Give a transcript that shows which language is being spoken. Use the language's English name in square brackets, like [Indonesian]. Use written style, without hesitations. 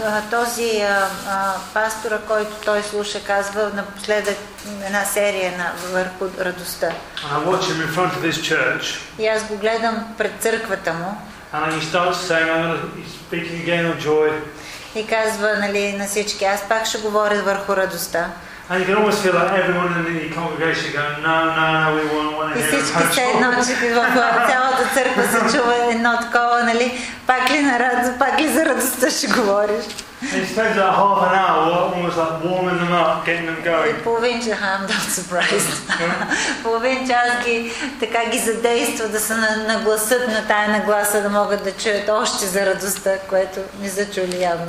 [Bulgarian] Този пастора, който той слуша, казва напоследък една серия на върху радостта. [English] And I watch him in front of this church. [Bulgarian] И аз го гледам пред църквата му. [English] And he starts saying, he's speaking again on joy. [Bulgarian] И казва, нали, на всички, аз пак ще говоря върху радостта. [English] And you can almost feel like everyone in the congregation going, no, we won't want to hear that. [Bulgarian] And всички се едно, че в цялата църква се чува едно такова, нали? Пак ли на радост, пак ли за радостта ще говориш? [English] And you spend like half an hour almost like warming them up, getting them going. [Bulgarian] Половин час, [English] I'm not surprised. [Bulgarian] Половин час ги така ги задейства да се нагласат на тая нагласа, да могат да чуят още за радостта, което не са чули явно